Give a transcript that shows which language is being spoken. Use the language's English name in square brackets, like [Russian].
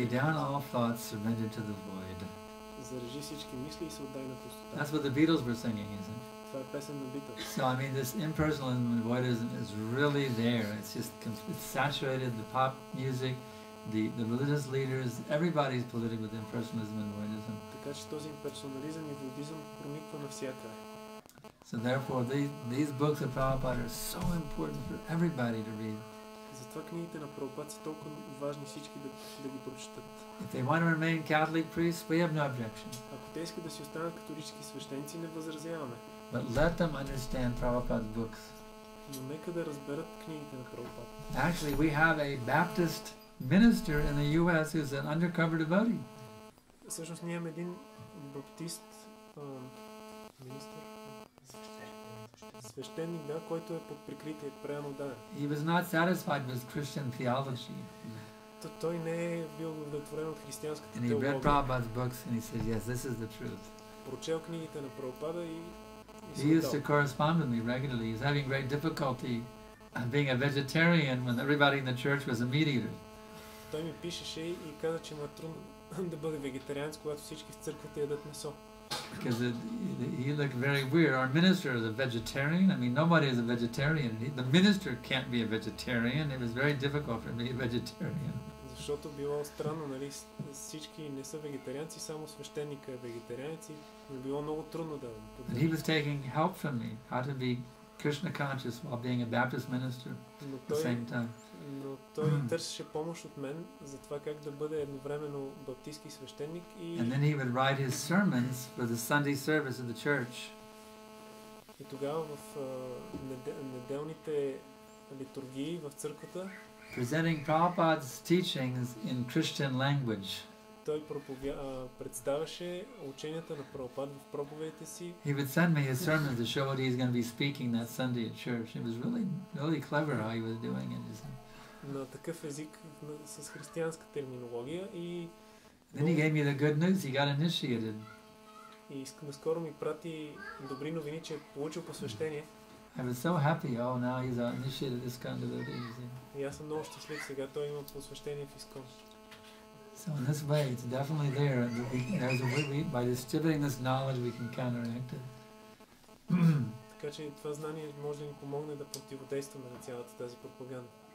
[English] Lay down all thoughts, surrender to the void. [Bulgarian] Зарежи всички мисли и се отдай на пустотата. [English] That's what the Beatles were singing, isn't it? So I mean, this impersonalism and voidism is really there. It's saturated the pop music, the religious leaders. Everybody's polluted with impersonalism and voidism. [Bulgarian] Така че този имперсонализъм и воидизъм прониква навсякъде. [English] So therefore, these books of Prabhupada are so important for everybody to read. [Bulgarian] Затова книгите на Прабхупада са толкова важни всички да ги прочитат. [English] If they want to remain Catholic priests, we have no objection. [Bulgarian] Ако те искат да си останат католически свещеници, не възразяваме. [English] But let them understand Prabhupada's books. [Bulgarian] но нека да разберат книгите на Прабхупада. [English] Actually, we have a Baptist minister in the US who's an undercover devotee. [Bulgarian] Всъщност ние имаме един баптист министър. Свещеник, да, който е под прикритие, преано да. [English] He was not satisfied with Christian theology. [Bulgarian] Той не е бил удовлетворен от християнската теология. [English] And he read Prabhupada's books and he says, yes, this is the truth. [Bulgarian] Прочел книгите на Прабхупада и [English] He used to correspond with me regularly. He was having great difficulty being a vegetarian when everybody in the church was a meat eater. [Bulgarian] Той ми пишеше и каза, че му е трудно да бъде вегетарианец, когато всички в църквата ядат месо. [English] Because he looked very weird. Our minister is a vegetarian. I mean, nobody is a vegetarian. The minister can't be a vegetarian. It was very difficult for me, a vegetarian. [Bulgarian] Защото било странно, нали, всички не са вегетарианци, само свещеника е вегетарианец и било много трудно да подбира. [English] He was taking help from me, how to be Krishna conscious while being a Baptist minister at the same time. [Bulgarian] Но той търсеше помощ от мен за това как да бъде едновременно баптистки свещеник и... [English] And then he would write his sermons for the Sunday service of the church. [Bulgarian] И тогава в неделните литургии в църквата [English] Presenting Prabhupada's teachings in Christian language. [Bulgarian] Той представяше ученията на Прабхупада в проповедите си. [English] He would send me his sermon to show what he's going to be speaking that Sunday at church. It was really, really clever how he was doing it. [Bulgarian] На такъв език с християнска терминология и. [English] Then he gave me the good news. He got initiated. [Bulgarian] И наскоро ми прати добри новини, че е получил посвещение. [English] I was so happy. Oh, now he's initiated this kind of thing. [Bulgarian] И аз съм много щастлив сега. Той има посвещение в ИСКОН. [English] So in this way, it's definitely there. There's a way we, by distributing this knowledge, we can counteract it. [Bulgarian] Така че това знание може да ни помогне да противодействаме на цялата тази пропаганда.